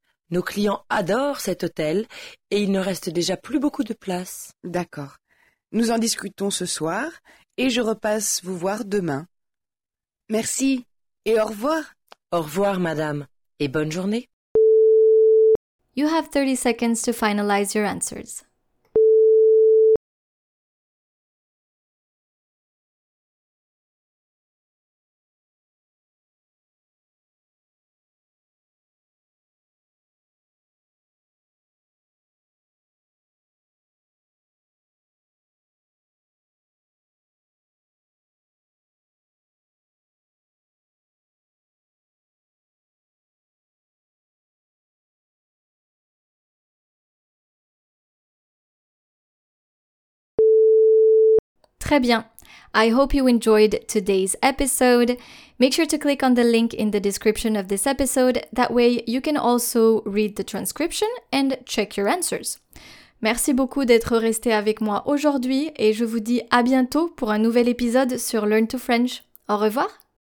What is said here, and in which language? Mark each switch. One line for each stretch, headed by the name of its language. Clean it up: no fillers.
French: Nos clients adorent cet hôtel et il ne reste déjà plus beaucoup de place. D'accord. Nous en discutons ce soir et je repasse vous voir demain. Merci et au revoir. Au revoir, madame, et bonne journée.
English: You have 30 seconds to finalize your answers.
French: Très bien.
English: I hope you enjoyed today's episode. Make sure to click on the link in the description of this episode. That way, you can also read the transcription and check your answers.
French: Merci beaucoup d'être resté avec moi aujourd'hui et je vous dis à bientôt pour un nouvel épisode sur Learn to French. Au revoir!